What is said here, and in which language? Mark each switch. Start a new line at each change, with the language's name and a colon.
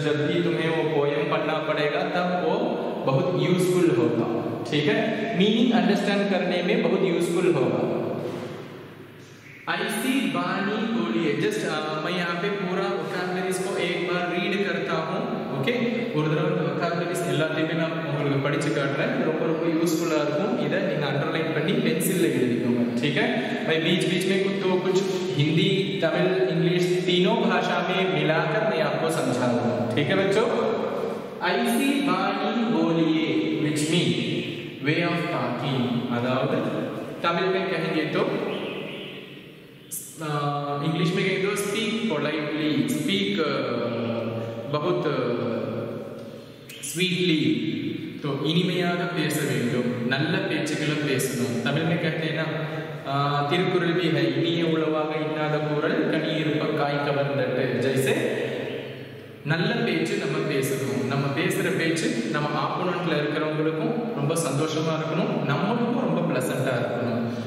Hindi: जब भी तुम्हें वो पोयम पढ़ना पड़ेगा तब वो बहुत यूजफुल होगा। ठीक है, मीनिंग अंडरस्टैंड करने में बहुत यूजफुल होगा। आई सी वाणी बोलिए, जस्ट मैं यहाँ पे पूरा वोकैबुलरी इसको एक बार रीड करता हूँ।
Tamil: ओके, உங்களுக்கு படிச்சு காட்டுறேன், ரொம்ப ரொம்ப யூஸ்ஃபுல்லா இருக்கும். இதை நீங்க அண்டர்லைன் பண்ணி பென்சில்ல எழுதிக்கோங்க.
Hindi: ठीक है, मैं बीच बीच में कुछ हिंदी तमिल इंग्लिश तीनों भाषा में मिलाकर मैं आपको समझा दूंगा। ठीक है बच्चों, ऐसी वाणी बोलिए विच मी वे ऑफ टॉकिंग, अदाउद तमिल में कहेंगे तो इंग्लिश में कहेंगे तो
English: speak politely,
Hindi: स्पीक बहुत स्वीटली, तो
Tamil: இனிமையாக பேச வேண்டும், நல்ல பேச்சுகளை பேசணும். தமிழ் மேல கேட்டேன்னா திருக்குறள் வீ ஹை, இனிய உளவாக இன்னாத குரல் கனியிருப்ப காய் கவர்ந்தட்டு. ஜெய்சே நல்ல பேச்சு நம்ம பேசணும், நம்ம பேசுகிற பேச்சு நம்ம ஆப்போனண்ட்ல இருக்கிறவங்களுக்கும் ரொம்ப சந்தோஷமா இருக்கணும், நம்மளுக்கும் ரொம்ப பிளசண்டா இருக்கணும்.